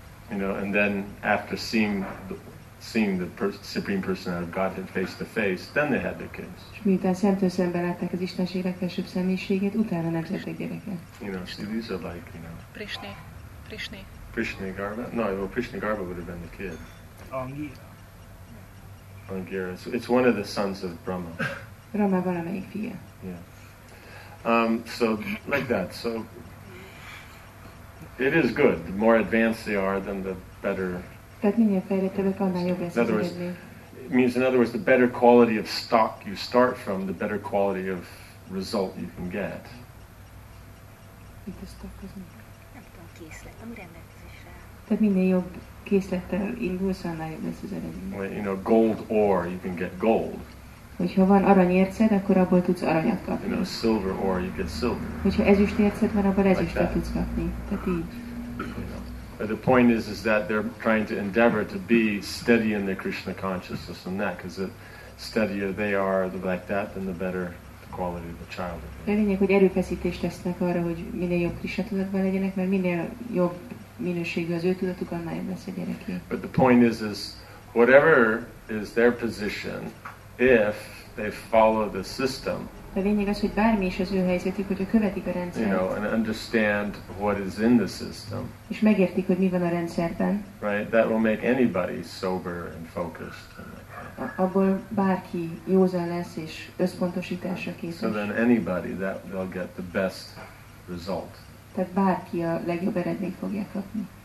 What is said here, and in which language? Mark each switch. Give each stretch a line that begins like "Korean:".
English: You know, and then after seeing the Supreme Personality of Godhead face to face, then they had their kids.
Hungarian: És miután szemtől szembe látták az Istenség legfelsőbb személyiséget, utána nemzettek gyereket.
English: You know, see, these are like, you know... Prishni Garba? No, well, Prishni Garba would have been the kid. Angira. It's one of the sons of Brahma.
Hungarian: Brahma valamelyik fia.
English: Yeah. So, like that, so... It is good. The more advanced they are, then the better...
Hungarian: Tehát minél fejlettebbek, annál jobb lesz az eredmény.
English: Means, in other words, the better quality of stock you start from, the better quality of result you can get.
Hungarian: Itt a stock az mi? Nem tudom, készletem, rendelkezésre. Tehát minél jobb készlettel indulsz, annál jobb lesz az eredmény.
English: You know, gold ore, you can get gold.
Hungarian: Hogyha van aranyérced, akkor abból tudsz aranyat kapni.
English: You know, silver ore, you get silver.
Hungarian: Hogyha ezüstérced van, abból ezüstet tudsz kapni. Tehát így.
English: But the point is that they're trying to endeavor to be steady in their Krishna consciousness and that, because the steadier they are, the like that, then the better the quality of the child.
Hungarian: A lényeg, hogy erőfeszítést tesznek arra, hogy minél jobb Krishna tudatban legyenek, mert minél jobb minőségű az ő tudatuk, annál jobb lesz a gyereké.
English: But the point is whatever is their position, if they follow the system,
Hungarian: a lényeg az, hogy bármi is az ő helyzetük, hogyha követik a rendszert.
English: You know, and understand what is in the system.
Hungarian: És megértik, hogy mi van a rendszerben.
English: Right, that will make anybody sober and focused.
Hungarian: Abból bárki józan lesz és összpontosításra készül.
English: So then anybody, that they'll get the best result.
Hungarian: Tehát bárki a legjobb eredményt fogja kapni.